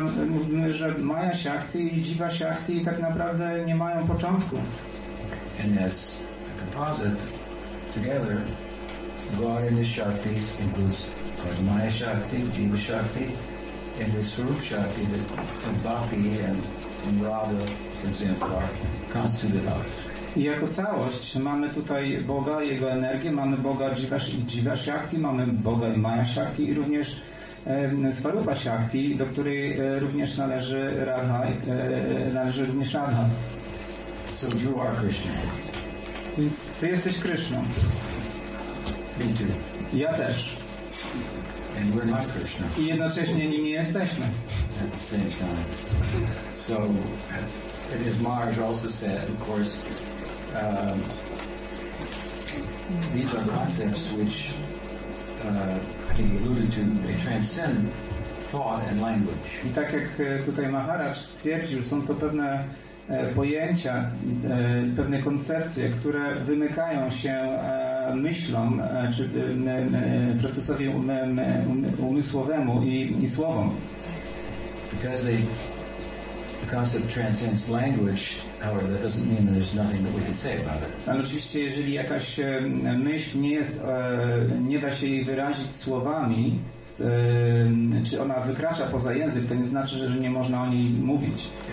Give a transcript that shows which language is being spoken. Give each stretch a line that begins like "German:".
Polish: Mówimy, że Maya Shakti i Jiva Shakti tak naprawdę nie mają początku.
English: And as a composite together, God and his Shaktis includes God, Maya Shakti, Jiva Shakti, and his Swarup Shakti, and Bhakti and Radha, for example, are constituted of.
Polish: I jako całość mamy tutaj Boga i jego energię, mamy Boga Jiva Shakti, mamy Boga i Maya Shakti i również Swarupa Shakti, do której również należy Radha.
English: So you are Krishna.
Polish: Więc ty jesteś Krishna.
English: Me too.
Polish: Ja też.
English: And we're not Krishna.
Polish: I jednocześnie nim nie jesteśmy.
English: At the same time. So, it is Maharaj also said, of course, these are concepts which I think he alluded to, they transcend thought and language.
Polish: I tak jak tutaj Maharaj stwierdził, są to pewne pojęcia, pewne koncepcje, które wymykają się myślom czy procesowi umysłowemu i słowom.
English: Because the concept transcends language, however, that doesn't mean that there's nothing that we can say about it.
Polish: Ale oczywiście, jeżeli jakaś myśl nie jest, nie da się jej wyrazić słowami, czy ona wykracza poza język, to nie znaczy, że nie można o niej mówić.